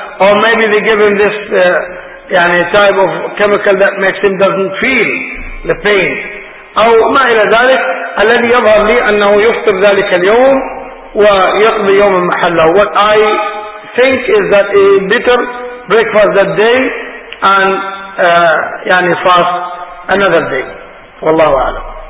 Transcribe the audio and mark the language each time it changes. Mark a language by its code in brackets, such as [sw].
[en] Or maybe they give him this يعني type of chemical that makes him doesn't feel the pain. [ar] أو ما إلى ذلك الذي يظهر لي أنه يفطر ذلك اليوم ويقضي يوم محله. [en] What I think is that a bitter breakfast that day and يعني fast another day. [ar] والله أعلم.